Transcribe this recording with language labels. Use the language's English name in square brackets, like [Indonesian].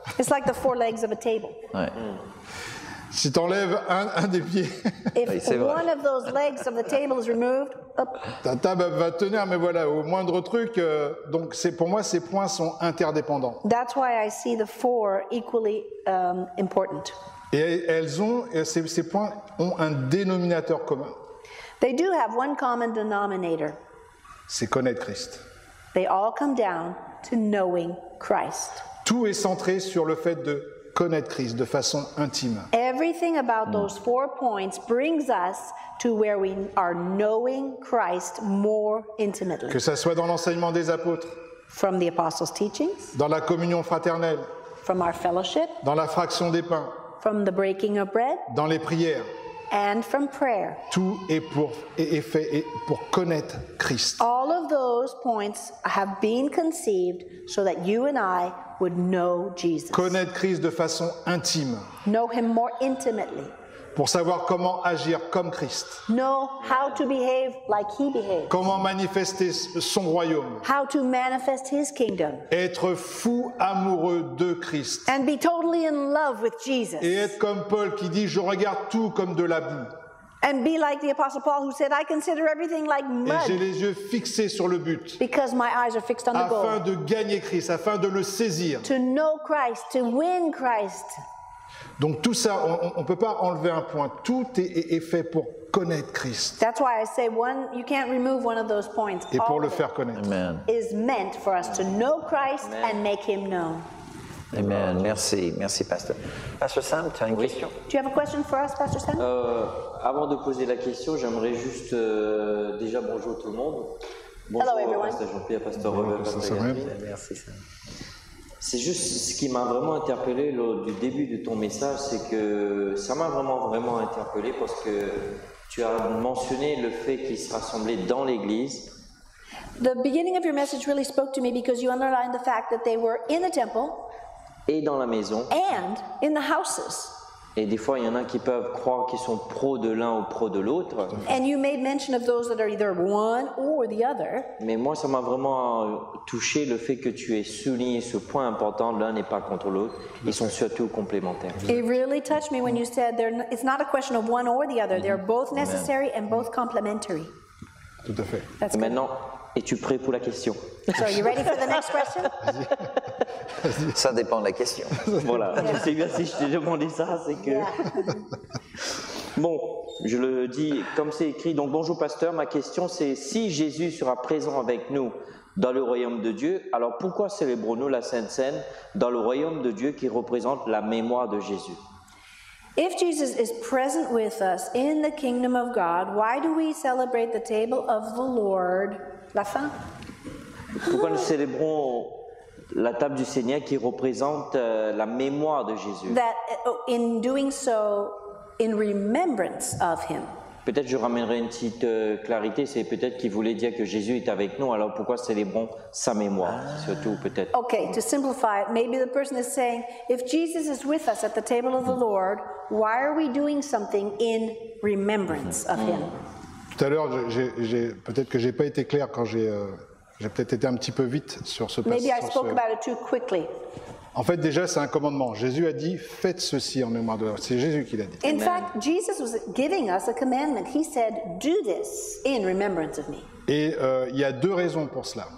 [English] It's like the four legs of a table. Ouais. Mm. [French] Si tu enlèves un des pieds. [English] If one of those legs of the table is removed. [French] Ta table va tenir, mais voilà, au moindre truc, donc c'est pour moi ces points sont interdépendants. [English] That's why I see the four equally important. [French] Et elles ont ces points ont un dénominateur commun. [English] They do have one common denominator. [French] C'est connaître Christ. [English] They all come down to knowing Christ. [French] Tout est centré sur le fait de connaître Christ de façon intime. [English] Everything about those four points brings us to where we are knowing Christ more intimately. [French] Que ça soit dans l'enseignement des apôtres. [English] From the apostles' teachings. [French] Dans la communion fraternelle. [English] From our fellowship. [French] Dans la fraction des pains. [English] From the breaking of bread. [French] Dans les prières. [English] And from prayer. [French] Tout est pour fait pour connaître Christ. [English] All of those points have been conceived so that you and I would know Jesus. [French] Connaître Christ de façon intime. [English] Know him more intimately. [French] Pour savoir comment agir comme Christ. [English] Know how to behave like he behaved. [French] Comment manifester son royaume. [English] How to manifest his kingdom. [French] Être fou amoureux de Christ. [English] And be totally in love with Jesus. [French] Et être comme Paul qui dit, je regarde tout comme de la boue. [English] And be like the Apostle Paul who said, I consider everything like mud. [French] Et j'ai les yeux fixés sur le but. [English] Because my eyes are fixed on the goal. [French] Afin de gagner Christ, afin de le saisir. [English] To know Christ, to win Christ. [French] Donc tout ça, on ne peut pas enlever un point. Tout est fait pour connaître Christ. [English] That's why I say one, you can't remove one of those points. [French] Et pour le faire connaître. Amen. [English] Is meant for us to know Christ. Amen. And make him known. [French] Amen. Merci. Merci, Pasteur. Pasteur Sam, tu as une question? [English] Do you have a question for us, Pasteur Sam? [French] Avant de poser la question, j'aimerais juste déjà bonjour tout le monde. [English] Bonjour, hello, everyone. [French] Pasteur Jean-Pierre, Pasteur Robert, Pasteur Gabriel. Merci, Sam. C'est juste ce qui m'a vraiment interpellé lors du début de ton message, c'est que ça m'a vraiment, vraiment interpellé parce que tu as mentionné le fait qu'ils se rassemblaient dans l'église. [English] The beginning of your message really spoke to me because you underlined the fact that they were in the temple. [French] Et dans la maison. [English] And in the houses. [French] Et des fois, il y en a qui peuvent croire qu'ils sont pro de l'un ou pro de l'autre. [English] And you made mention of those that are either one or the other. [French] Mais moi, ça m'a vraiment touché le fait que tu aies souligné ce point important, l'un n'est pas contre l'autre, ils sont surtout complémentaires. [English] It really touched me when you said it's not a question of one or the other, they're both necessary and both complementary. [French] Tout à fait. That's maintenant, es-tu prêt pour la question? [English] So, are you ready for the next question? [French] Ça dépend de la question. Voilà, je sais bien si je t'ai demandé ça, c'est que... Bon, je le dis comme c'est écrit. Donc, bonjour pasteur, ma question c'est si Jésus sera présent avec nous dans le royaume de Dieu, alors pourquoi célébrons-nous la Sainte Cène dans le royaume de Dieu qui représente la mémoire de Jésus? [English] If Jesus is present with us in the kingdom of God, why do we celebrate the table of the Lord? [French] La fin? Pourquoi nous célébrons la table du Seigneur qui représente la mémoire de Jésus? [English] That in doing so, in remembrance of him. [French] Peut-être je ramènerai une petite clarité, c'est peut-être qu'il voulait dire que Jésus est avec nous, alors pourquoi célébrons sa mémoire, surtout peut-être. [English] Okay, to simplify it, maybe the person is saying, if Jesus is with us at the table of the Lord, why are we doing something in remembrance of him? [French] Tout à l'heure, peut-être que je n'ai pas été clair quand j'ai peut-être été un petit peu vite sur ce [English] passage. Maybe I spoke about it too quickly. [French] En fait, déjà, c'est un commandement. Jésus a dit, faites ceci en mémoire de moi. C'est Jésus qui l'a dit. [English] In fact, Jesus was giving us a commandment. He said, do this in remembrance of me. [French] Et il y a deux raisons pour cela.